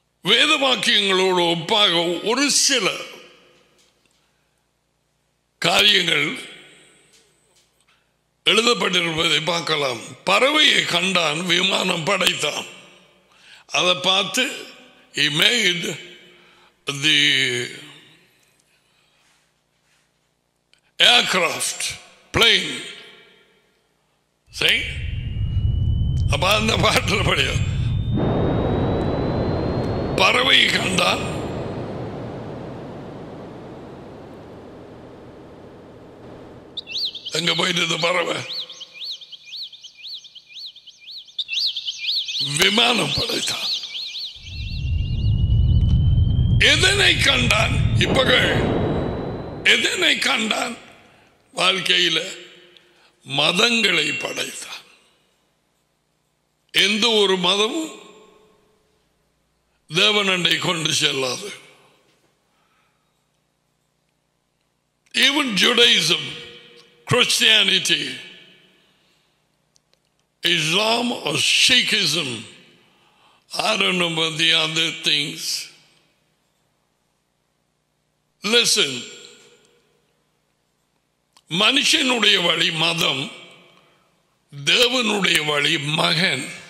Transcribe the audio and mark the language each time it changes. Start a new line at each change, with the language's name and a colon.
Tamil: வேத வாக்கியங்களோடு ஒப்பாக ஒரு சில காரியங்கள் எழுதப்பட்டிருப்பதை பார்க்கலாம். பறவையை கண்டான், விமானம் படைத்தான். அதை பார்த்து
English: he made the aircraft plane. See?
Tamil: அப்ப அந்த பாட்டில் படிய பறவையை கண்டான், அங்க போயிட்டு பறவை விமானம் படைத்தான். எதனை கண்டான்? இப்பகல் எதனை கண்டான்? வாழ்க்கையில மதங்களை படைத்தான். எந்த ஒரு மதமும் தேவனண்டை கொண்டு செல்லாது.
English: Even Judaism, Christianity, Islam or Sikhism, I don't know about the other things.
Tamil: Listen, மனுஷனுடைய வழி மதம், தேவனுடைய வழி மகன்.